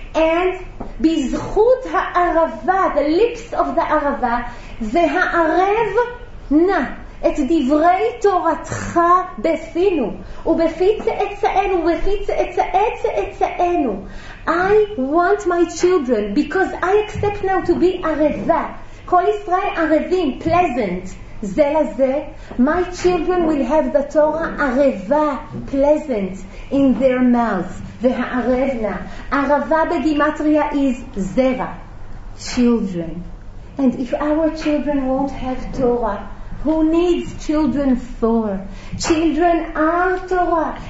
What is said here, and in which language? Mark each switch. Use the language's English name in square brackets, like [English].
[Hebrew] And bizchut ha'arava, [English] the lips of the arava, [Hebrew] ve'ha'arev na, את דברי תורתך בפינו, ובפי צאצאנו, ובפי צאצאי צאצאנו. [English] I want my children, because I accept now to be ערבה. [Hebrew] כל ישראל ערבים, [English] pleasant, [Hebrew] זה לזה. [English] My children will have the Torah ערבה, pleasant, in their mouths. [Hebrew] והערבנה, ערבה בגימטריה [English] is זרע, children. And if our children won't have Torah, Who needs children for? Children are Torah.